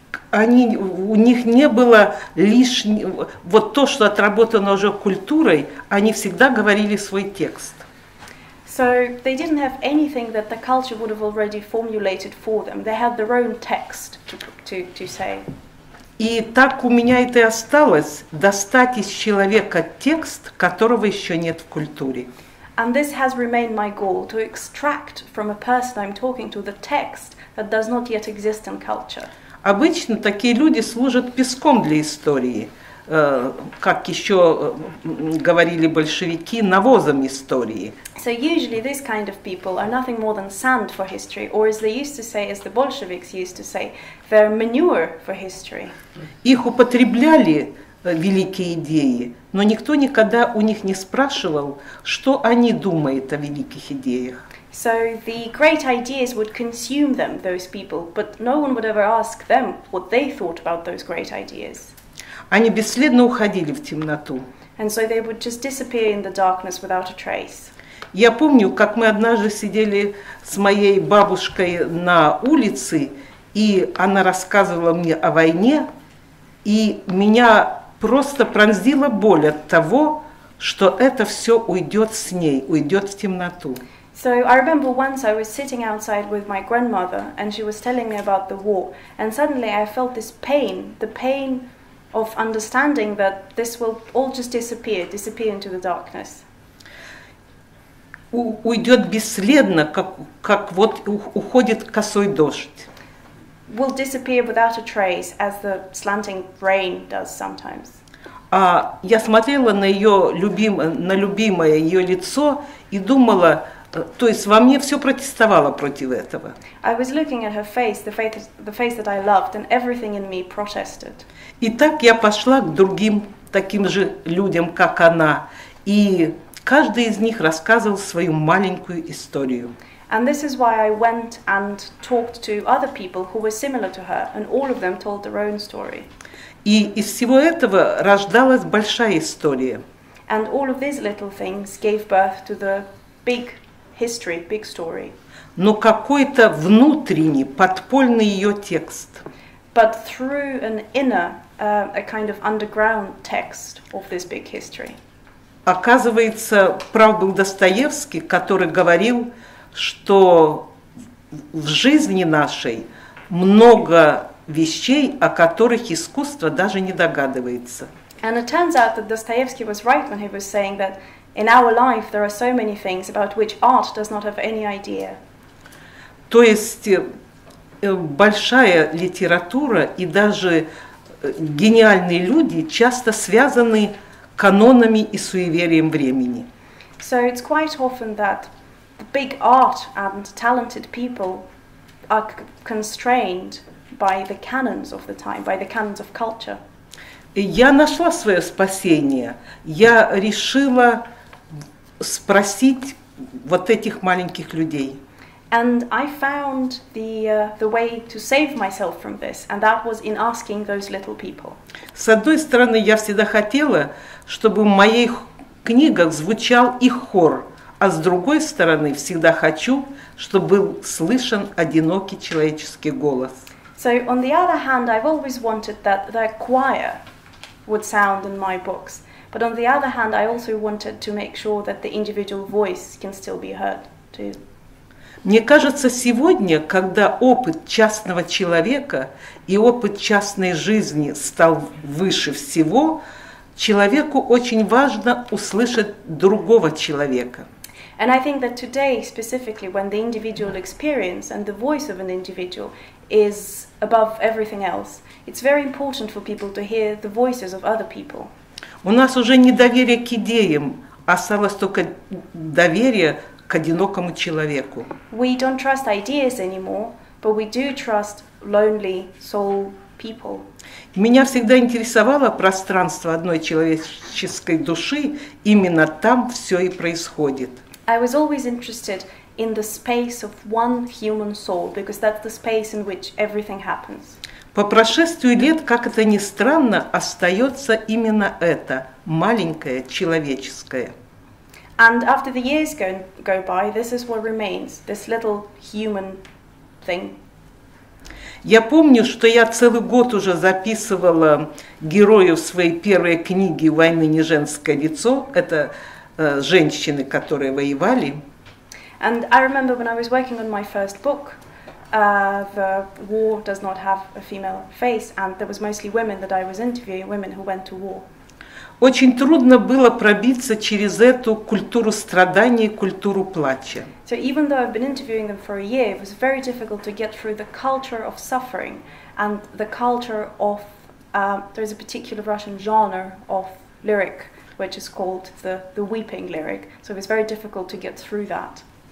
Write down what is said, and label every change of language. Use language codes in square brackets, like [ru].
[ru] Они, у них не было лишнего, вот то, что отработано уже культурой, они всегда говорили свой текст. [en] So they didn't have anything that the culture would have already formulated for them. They had their own text to say. [ru] И так у меня это и осталось, достать из человека текст, которого еще нет в культуре. [en] And this has remained my goal, to extract from a person I'm talking to the text that does not yet exist in culture. [ru] Обычно такие люди служат песком для истории, как еще говорили большевики, навозом истории. [en] So usually these kind of people are nothing more than sand for history, or as they used to say, as the Bolsheviks used to say, they're manure for history. [ru] Их употребляли великие идеи, но никто никогда у них не спрашивал, что они думают о великих идеях. [en] So the great ideas would consume them, those people, but no one would ever ask them what they thought about those great ideas. [ru] Они бесследно уходили в темноту. [en] And so they would just disappear in the darkness without a trace. [ru] Я помню, как мы однажды сидели с моей бабушкой на улице, и она рассказывала мне о войне, и меня просто пронзила боль от того, что это все уйдет с ней, уйдет в темноту. [en] So I remember once I was sitting outside with my grandmother and she was telling me about the war and suddenly I felt this pain, the pain of understanding that this will all just disappear into the darkness. [ru] Уйдет бесследно, как вот уходит косой дождь. [en] Will disappear without a trace as the slanting rain does sometimes. [ru] А я смотрела на ее любимое ее лицо и думала, то есть во мне все протестовало против этого. [en] I was looking at her face, the face that I loved, and everything in me protested. [ru] И так я пошла к другим таким же людям, как она, и каждый из них рассказывал свою маленькую историю. [en] And this is why I went and talked to other people who were similar to her, and all of them told their own story. [ru] И из всего этого рождалась большая история. [en] And all of these little things gave birth to the big history, big story. [ru] Но какой-то внутренний, подпольный ее текст. [en] But through an inner, a kind of underground text of this big history. [ru] Оказывается, прав был Достоевский, который говорил, что в жизни нашей много вещей, о которых искусство даже не догадывается. [en] And it turns out that Dostoevsky was right when he was saying that in our life there are so many things about which art does not have any idea. [ru] То есть большая литература и даже гениальные люди часто связаны канонами и суеверием времени. [en] So it's quite often that the big art and talented people are constrained by the canons of the time, by the canons of culture. [ru] Я нашла свое спасение. Я решила спросить вот этих маленьких людей. [en] And I found the way to save myself from this, and that was in asking those little people. [ru] С одной стороны, я всегда хотела, чтобы в моих книгах звучал их хор, а с другой стороны, всегда хочу, чтобы был слышен одинокий человеческий голос. [en] So on the other hand, I've always wanted that their choir would sound in my books. But on the other hand, I also wanted to make sure that the individual voice can still be heard too. [ru] Мне кажется, сегодня, когда опыт частного человека и опыт частной жизни стал выше всего, человеку очень важно услышать другого человека. [en] And I think that today, specifically, when the individual experience and the voice of an individual is above everything else, it's very important for people to hear the voices of other people. [ru] У нас уже не доверие к идеям, осталось только доверие к одинокому человеку. [en] We don't trust ideas anymore, but we do trust lonely soul people. [ru] Меня всегда интересовало пространство одной человеческой души, именно там все и происходит. [en] I was always interested in the space of one human soul, because that's the space in which everything happens. [ru] По прошествию лет, как это ни странно, остается именно это, маленькое человеческое. [en] And after the years go by, this is what remains, this little human thing. [ru] Я помню, что я целый год уже записывала героев своей первой книги «Войны не женское лицо». Это женщины, которые воевали. [en] And I remember when I was working on my first book, The War Does Not Have a Female Face, and there was mostly women that I was interviewing, women who went to war. [ru] Очень трудно было пробиться через эту культуру страданий, культуру плача. [en] So even though I've been interviewing them for a year, it was very difficult to get through the culture of suffering and the culture of, there's a particular Russian genre of lyric, which is called the weeping lyric, so it was very difficult to get through that.